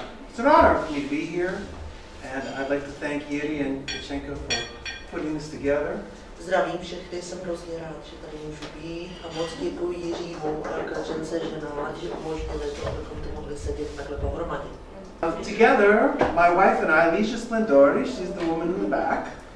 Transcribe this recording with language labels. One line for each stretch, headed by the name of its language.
English: It's an honor for me to be here, and I'd like to thank Yuri and Kachenko for putting this together.
Czech: Zdravím všechny, jsem hrozně rád, že tady můžu být a moc děkuji Jiřímu a Kachence, že naladili možnost, abychom to mohli sedět takhle pohromadě.
English: Together, my wife and I, Alicia Splendori, she's the woman in the back.